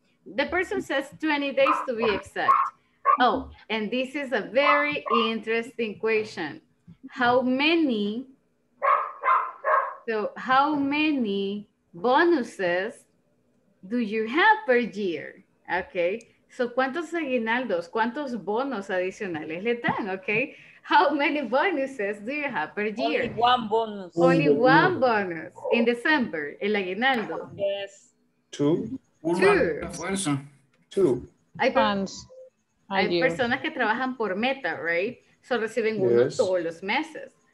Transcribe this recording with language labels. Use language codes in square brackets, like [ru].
[en] The person says 20 days to be exact. Oh, and this is a very interesting question. How many bonuses do you have per year? Okay. [es] So, ¿cuántos aguinaldos, cuántos bonos adicionales le dan? [en] Okay. How many bonuses do you have per year? Only one bonus. Only one bonus in December, el aguinaldo. Yes. Two. [es] Hay personas que trabajan por meta, right? So, reciben uno todos los meses.